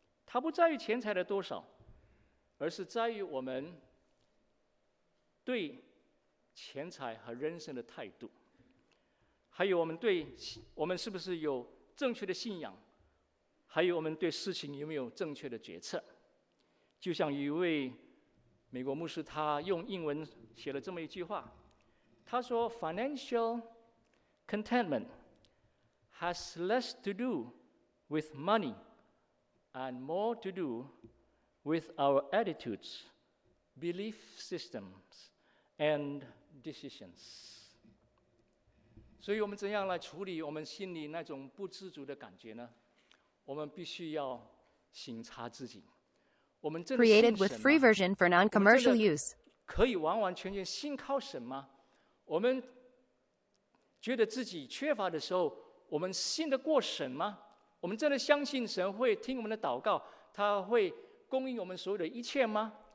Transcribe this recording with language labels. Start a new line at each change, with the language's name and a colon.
Chinese: 它不在于钱财的多少，而是在于我们对钱财和人生的态度。还有我们对我们是不是有正确的信仰，还有我们对事情有没有正确的决策。就像有一位美国牧师，他用英文写了这么一句话，他说
English: Financial contentment has less to do with money and more to do with our attitudes, belief systems, and decisions.
Chinese: 所以我们怎样来处理我们心里那种不知足的感觉呢？我们必须要省察自己。我们真的信神吗？ Created with free version for non-commercial use. 可以完完全全信靠神吗？我们觉得自己缺乏的时候，我们信得过神吗？我们真的相信神会听我们的祷告，他会供应我们所有的一切吗？